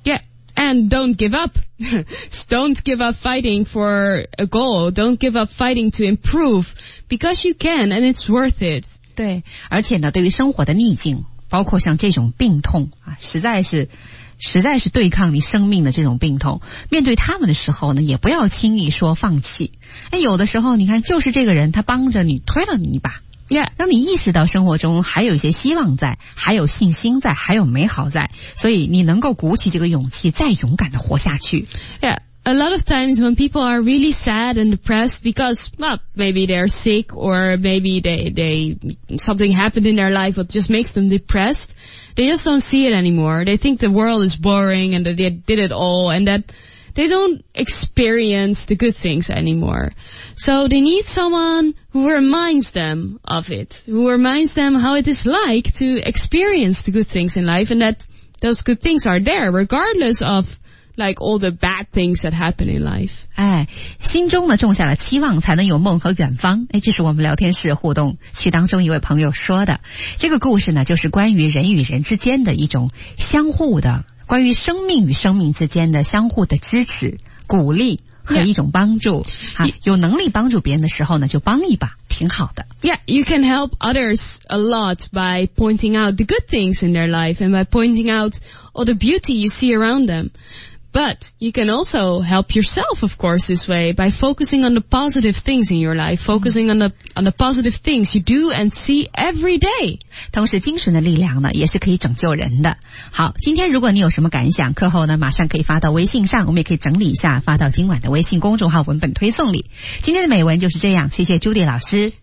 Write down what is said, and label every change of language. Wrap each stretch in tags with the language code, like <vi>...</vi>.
<en>Yeah, and don't give up. Don't give up fighting for a goal. Don't give up fighting to improve. Because you can, and it's worth it.</en> <zh>对，而且呢，对于生活的逆境，包括像这种病痛啊，实在是对抗你生命的这种病痛，面对他们的时候呢，也不要轻易说放弃。哎，有的时候你看，就是这个人他帮着你推了你一把，</zh> <en>yeah.</en> <zh>让你意识到生活中还有一些希望在，还有信心在，还有美好在，所以你能够鼓起这个勇气，再勇敢地活下去。</zh> <en>Yeah, a lot of times when people are really sad and depressed because, well, maybe they're sick or maybe they something happened in their life that just makes them depressed. They just don't see it anymore. They think the world is boring and that they did it all and that they don't experience the good things anymore. So they need someone who reminds them of it, who reminds them how it is like to experience the good things in life and that those good things are there regardless of like all the bad things that happen in life.</en> <zh>哎，心中呢种下了期望才能有梦和远方。哎，这是我们聊天室互动区当中一位朋友说的。这个故事呢就是关于人与人之间的一种相互的，关于生命与生命之间的相互的支持、鼓励和一种帮助。</zh> <en>Yeah.</en> <zh>啊，有能力帮助别人的时候呢就帮一把，挺好的。</zh> <en>Yeah, you can help others a lot by pointing out the good things in their life and by pointing out all the beauty you see around them. But you can also help yourself, of course, this way by focusing on the positive things in your life, focusing on the positive things you do and see every day.</en> <zh>同时精神的力量呢也是可以拯救人的。好，今天如果你有什么感想，课后呢马上可以发到微信上，我们也可以整理一下发到今晚的微信公众号文本推送里。今天的美文就是这样，谢谢朱迪老师。</zh>